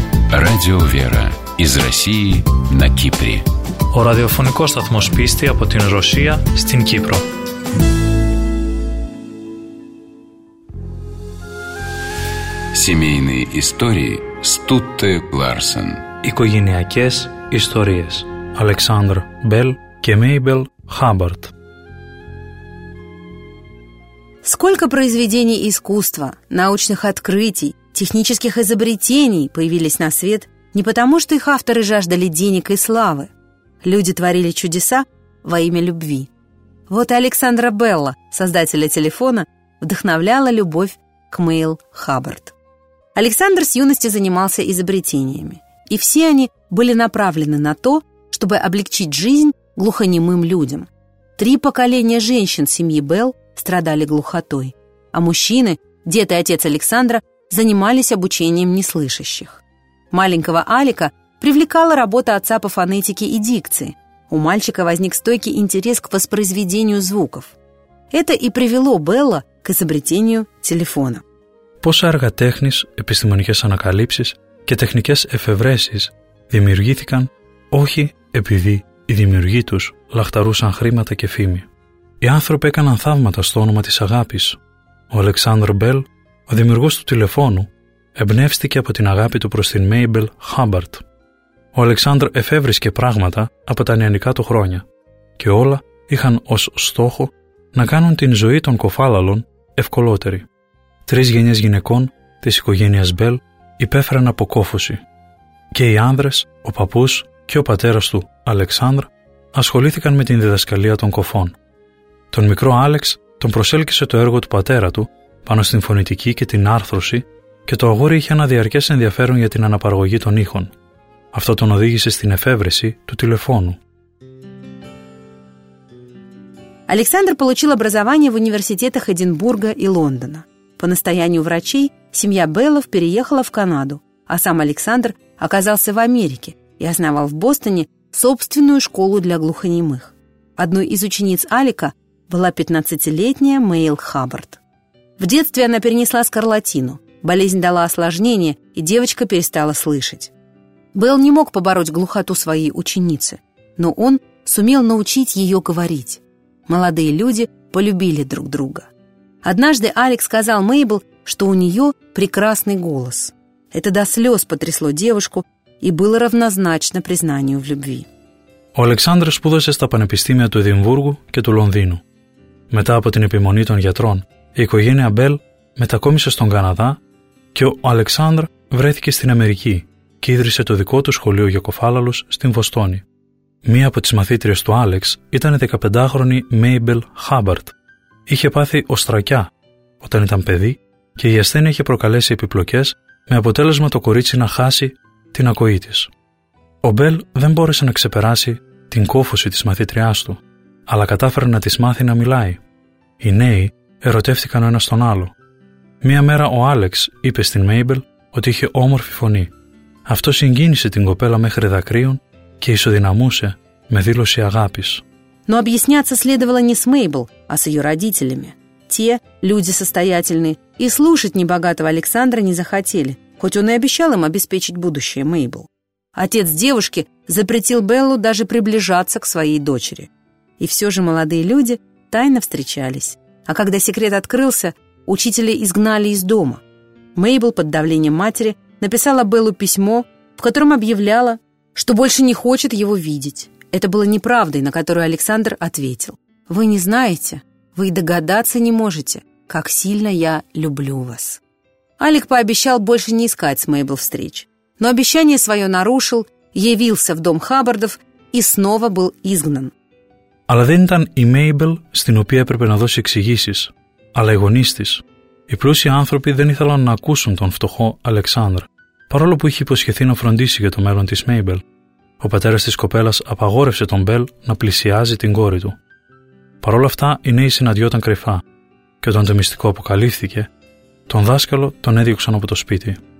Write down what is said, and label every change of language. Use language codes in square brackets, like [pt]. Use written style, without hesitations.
[ru] Радио Вера из России на Кипре. [el] Ο ραδιοφωνικός σταθμός πίστη από την Ρωσία στην Κύπρο. [ru] Семейные истории Стутте Ларсен. [el] Οικογενειακές ιστορίες Αλεξάνδρ Μπέλ και Μέιμπελ Χάμπαρτ. [ru] Сколько произведений искусства, научных открытий, технических изобретений появились на свет не потому, что их авторы жаждали денег и славы. Люди творили чудеса во имя любви. Вот и Александра Белла, создателя телефона, вдохновляла любовь к Мэйл Хаббард. Александр с юности занимался изобретениями, и все они были направлены на то, чтобы облегчить жизнь глухонемым людям. Три поколения женщин семьи Белл страдали глухотой, а мужчины дед и отец Александра занимались обучением неслышащих. Маленького Алика привлекала работа отца по фонетике и дикции. У мальчика возник стойкий интерес к воспроизведению звуков. Это и привело Белла к изобретению телефона. [el] Πόσα έργα τέχνης, επιστημονικές ανακαλύψεις και τεχνικές εφευρέσεις δημιουργήθηκαν όχι επειδή οι δημιουργοί τους λαχταρούσαν χρήματα και φήμη. Οι άνθρωποι έκαναν θαύματα στο όνομα της αγάπης. Ο Αλεξάνδρ Μπέλ, ο δημιουργός του τηλεφώνου, εμπνεύστηκε από την αγάπη του προς την Μέιμπελ Χάμπαρτ. Ο Αλεξάνδρ εφεύρισκε πράγματα από τα νεανικά του χρόνια και όλα είχαν ως στόχο να κάνουν την ζωή των κοφάλαλων ευκολότερη. Τρεις γενιές γυναικών της οικογένειας Μπέλ υπέφεραν αποκόφωση και οι άνδρες, ο παππούς και ο πατέρας του, Αλεξάνδρ, ασχολήθηκαν με την διδασκαλία των κοφών. Τον μικρό Άλεξ τον προσέλκυσε το έργο του πατέρα του πάνω στην φωνητική και την άρθρωση και το αγόρι είχε ένα διαρκές ενδιαφέρον για την αναπαραγωγή των ήχων. Αυτό τον οδήγησε στην εφεύρεση του τηλεφώνου. [ru] Александр получил образование в университетах Эдинбурга и Лондона. По настоянию врачей семья Беллов переехала в Канаду, а сам Александр оказался в Америке и основал в Бостоне собственную школу для глухонемых. Одной из учениц Алика была 15-летняя Мэйл Хаббард. В детстве она перенесла скарлатину, болезнь дала осложнение, и девочка перестала слышать. Белл не мог побороть глухоту своей ученицы, но он сумел научить ее говорить. Молодые люди полюбили друг друга. Однажды Алекс сказал Мейбл, что у нее прекрасный голос. Это до слез потрясло девушку и было равнозначно признанию в любви. [el] Ο Александр σπούδασε στα πανεπιστήμια του Εδιμβούργου και του Λονδίνου. Μετά από την επιμονή των γιατρών, η οικογένεια Μπέλ μετακόμισε στον Καναδά και ο Αλεξάνδρ βρέθηκε στην Αμερική και ίδρυσε το δικό του σχολείο για κοφάλαλους στην Βοστόνη. Μία από τις μαθήτριες του Άλεξ ήταν η 15χρονη Μέιμπελ Χάμπαρτ. Είχε πάθει οστρακιά όταν ήταν παιδί και η ασθένεια είχε προκαλέσει επιπλοκές με αποτέλεσμα το κορίτσι να χάσει την ακοή της. Ο Μπέλ δεν μπόρεσε να ξεπεράσει την κόφωση της μαθήτριάς του, αλλά κατάφερε να της μάθει να μιλάει. Οι νέοι ερωτεύτηκαν ο ένας τον άλλο. Μία μέρα ο Άλεξ είπε στην Μέιμπελ ότι είχε όμορφη φωνή. Αυτό συγκίνησε την κοπέλα μέχρι δακρύων και ισοδυναμούσε με δήλωση αγάπης. [ru] Но объясняться следовало не с Мейбл, а с ее родителями. Те, люди состоятельные, и слушать небогатого Александра не захотели, хоть он и обещал им обеспечить будущее Мейбл. Отец девушки запретил Беллу даже приближаться к своей дочери. И все же молодые люди тайно встречались. А когда секрет открылся, учителя изгнали из дома. Мейбл под давлением матери написала Беллу письмо, в котором объявляла, что больше не хочет его видеть. Это было неправдой, на которую Александр ответил. «Вы не знаете, вы и догадаться не можете, как сильно я люблю вас». Алик пообещал больше не искать с Мейбл встреч. Но обещание свое нарушил, явился в дом Хаббардов и снова был изгнан. Но не была и Мейбл, в которой нужно было дать объяснения, а и гонисты. [el] Οι πλούσιοι άνθρωποι δεν ήθελαν να ακούσουν τον φτωχό Αλεξάνδρ, παρόλο που είχε υποσχεθεί να φροντίσει για το μέλλον της Μέιμπελ. Ο πατέρας της κοπέλας απαγόρευσε τον Μπέλ να πλησιάζει την κόρη του. Παρ' όλα αυτά, οι νέοι συναντιόταν κρυφά, και όταν το μυστικό αποκαλύφθηκε, τον δάσκαλο τον έδιωξαν από το σπίτι.